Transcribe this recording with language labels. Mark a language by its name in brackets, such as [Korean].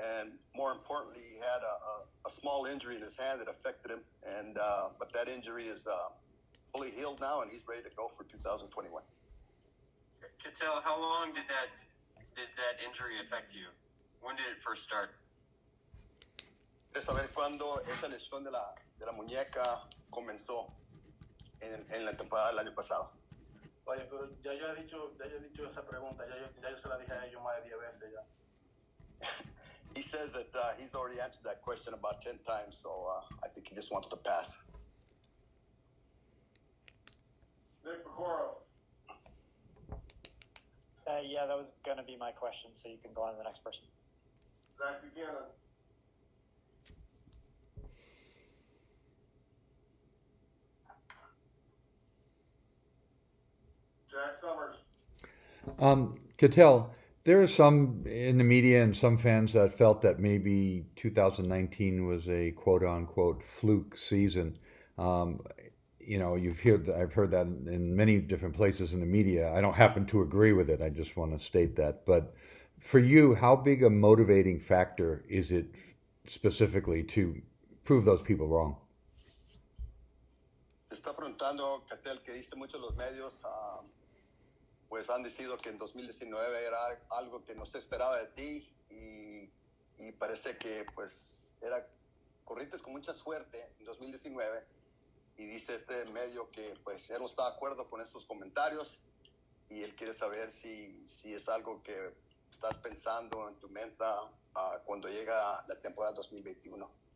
[English] And more importantly, he had a small injury in his hand that affected him. And but that injury is fully healed now, and he's ready to go for 2021. Cattell, how long did that injury affect you? When did it first start? [Spanish] Quiero saber cuándo esa lesión de la muñeca comenzó en la temporada del año pasado. Oye, pero ya yo he dicho esa pregunta, ya yo se la dije a ellos más de 10 veces ya. [English] He says that he's already answered that question about 10 times, so I think he just wants to pass. Nick Pecoro. Yeah, that was going to be my question, so you can go on to the next person. Zach Buchanan. Jack Summers. Cattell, there are some in the media and some fans that felt that maybe 2019 was a quote-unquote fluke season. You know, I've heard that in many different places in the media. I don't happen to agree with it. I just want to state that. But for you, how big a motivating factor is it specifically to prove those people wrong? [Spanish] Está preguntando, Cattell, que dice mucho los medios. Pues han decidido que en 2019 era algo que no se esperaba de ti y parece que pues era corrientes con mucha suerte en 2019 y dice este medio que pues él no está de acuerdo con esos comentarios y él quiere saber si es algo que estás pensando en tu mente cuando llega la temporada 2021.